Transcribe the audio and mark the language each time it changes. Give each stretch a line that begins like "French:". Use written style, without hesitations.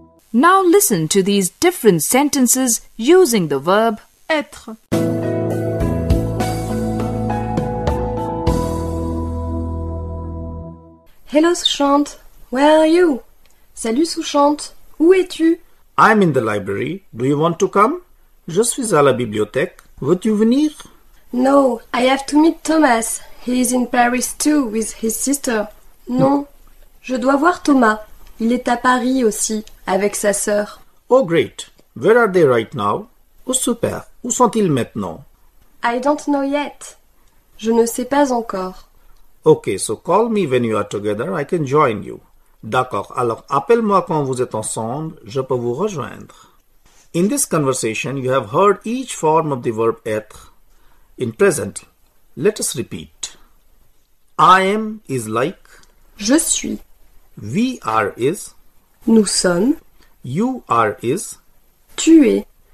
English: Now listen to these different sentences using the verb
French: être.
English: Hello Sushant, where are you?
French: Salut Sushant, où es-tu?
English: I'm in the library, do you want to come?
French: Je suis à la bibliothèque, veux-tu venir?
English: No, I have to meet Thomas, he is in Paris too with his sister.
French: Non, je dois voir Thomas. Il est à Paris aussi, avec sa sœur.
English: Oh great! Where are they right now?
French: Oh super! Où sont-ils maintenant?
English: I don't know yet.
French: Je ne sais pas encore.
English: Okay, so call me when you are together, I can join you.
French: D'accord, alors appelle-moi quand vous êtes ensemble, je peux vous rejoindre.
English: In this conversation, you have heard each form of the verb être. In present, let us repeat. I am is like.
French: Je suis.
English: We are is.
French: Nous sommes.
English: You are is.
French: Tu es.